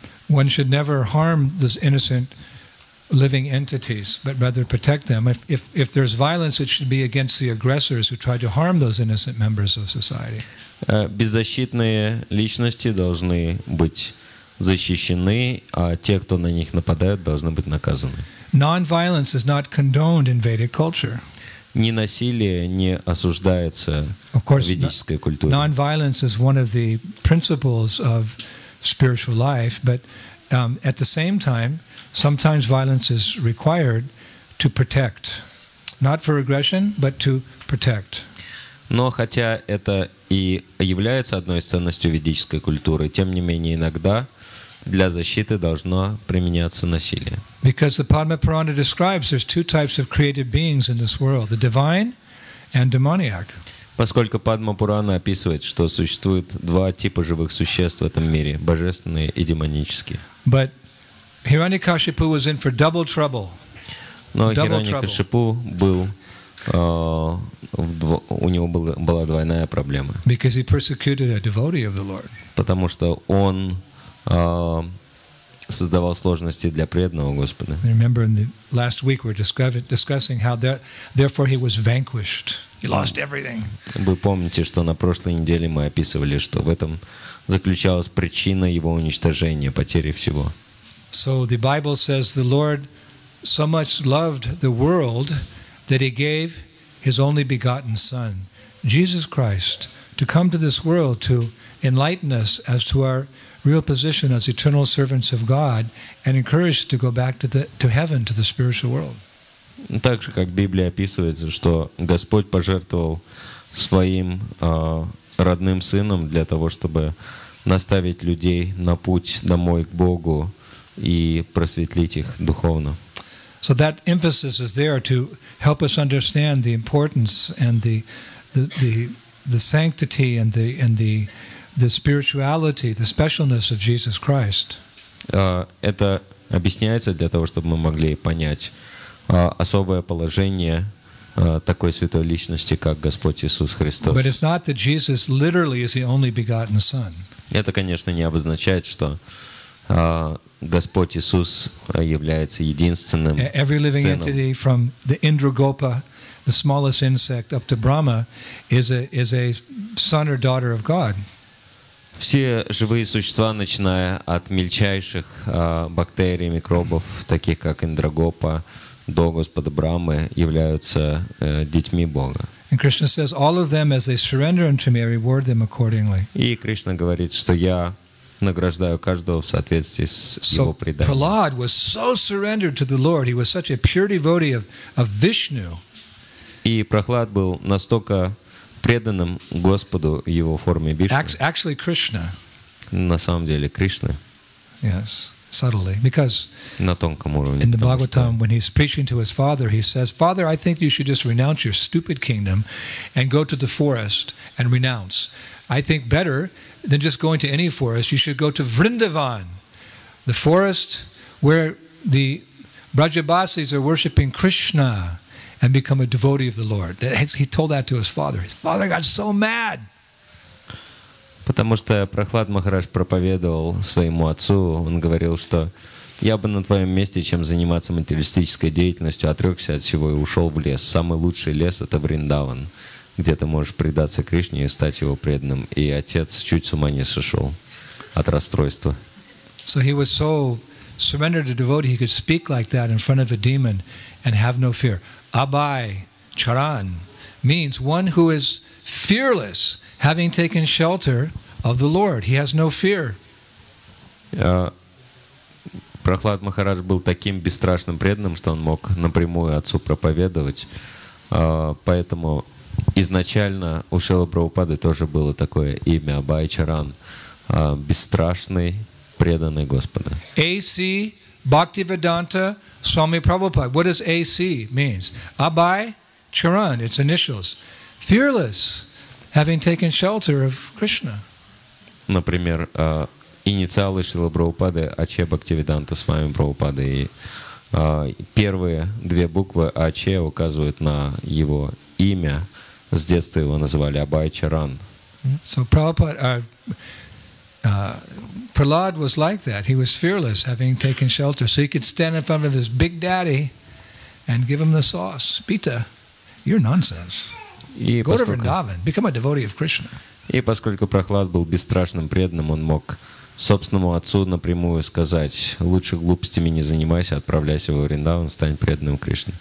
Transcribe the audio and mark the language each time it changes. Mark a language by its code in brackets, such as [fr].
[en] One should never harm these innocent living entities, but rather protect them. If there's violence, it should be against the aggressors who try to harm those innocent members of society. [ru] Беззащитные личности должны быть защищены, а те, кто на них нападают, должны быть наказаны. [en] Non-violence is not condoned in Vedic culture. [ru] Ненасилие не осуждается в ведической культуре. [en] Non-violence is one of the principles of spiritual life, but at the same time, sometimes violence is required to protect, not for aggression, but to protect. [ru] Но хотя это и является одной из ценностей ведической культуры, тем не менее иногда для защиты должно применяться насилие. [en] Because the Padma Purana describes there's two types of created beings in this world, the divine and demoniac. [ru] Поскольку Падма Пурана описывает, что существует два типа живых существ в этом мире, божественные и демонические. [en] But Hiranyakashipu was in for double trouble. [ru] Но Хираньякашипу был у него была двойная проблема. [en] Because he persecuted a devotee of the Lord. [ru] Потому что он создавал сложности для преданного Господа. [en] Remember, in the last week we were discussing how therefore he was vanquished. He lost everything. [ru] Вы помните, что на прошлой неделе мы описывали, что в этом заключалась причина его уничтожения, потери всего. [en] So the Bible says the Lord so much loved the world that he gave his only begotten Son, Jesus Christ, to come to this world to enlighten us as to our real position as eternal servants of God and encouraged to go back to heaven, to the spiritual world. [ru] Так же, как Библия описывается, что Господь пожертвовал своим родным сыном для того, чтобы наставить людей на путь домой к Богу и просветлить их духовно. [en] So that emphasis is there to help us understand the importance and the sanctity and the spirituality, the specialness of Jesus Christ. [ru] Это объясняется для того, чтобы мы могли понять особое положение такой святой личности, как Господь Иисус Христос. [en] But it's not that Jesus literally is the only begotten Son. [ru] Это, конечно, не обозначает, что Господь Иисус является единственным Сыном. [en] Every living entity from the Indragopa, the smallest insect, up to Brahma, is a son or daughter of God. [ru] Все живые существа, начиная от мельчайших бактерий, микробов, таких как Индрагопа, до Господа Брамы, являются детьми Бога. [en] And Krishna says, all of them, as they surrender unto me, I reward them accordingly. [ru] И Кришна говорит, что я награждаю каждого в соответствии с его преданием. [en] So Prahlad was so surrendered to the Lord. He was such a pure devotee of Vishnu. [ru] И Прохлад был настолько преданным Господу в его форме Вишну. [en] Actually, Krishna. [ru] На самом деле, Кришна. [en] Yes. Subtly, because [ru] на тонком уровне, [en] in the Bhagavatam, when he's preaching to his father, he says, "Father, I think you should just renounce your stupid kingdom and go to the forest and renounce. I think better than just going to any forest, you should go to Vrindavan, the forest where the Brajabasis are worshiping Krishna and become a devotee of the Lord." He told that to his father. His father got so mad. [ru] Потому что Прохлад Махарадж проповедовал своему отцу, он говорил, что я бы на твоем месте, чем заниматься материалистической деятельностью, отрекся от всего и ушел в лес. Самый лучший лес — это Вриндаван, где ты можешь предаться Кришне и стать его преданным. И отец чуть с ума не сошел от расстройства. [en] So he was so surrendered to devotee, he could speak like that in front of a demon and have no fear. Abhay Charan means one who is fearless, having taken shelter of the Lord. He has no fear. [ru] Прохлад Махарадж был таким бесстрашным преданным, что он мог напрямую отцу проповедовать. Поэтому изначально у Шрилы Прабхупады тоже было такое имя Абай Чаран, бесстрашный преданный Господа. [en] A.C. Bhaktivedanta Swami Prabhupada. What does A.C. means? Abhay Charan, its initials. Fearless, having taken shelter of Krishna. [ru] Например, инициалы Шрилы Прабхупады АЧ Бхактивиданта Свами Прабхупады. И первые две буквы АЧ указывают на его имя. С детства его называли Абай Чаран. [en] So Prabhupada, Prahlad was like that. He was fearless, having taken shelter. So he could stand in front of his big daddy and give him the sauce. Pita, you're nonsense. Go to Vrindavan. Become a devotee of Krishna. [ru] И поскольку Прохлад был бесстрашным преданным, он мог собственному отцу напрямую сказать, лучше глупостями не занимайся, отправляйся в Вриндаван, стань преданным Кришне.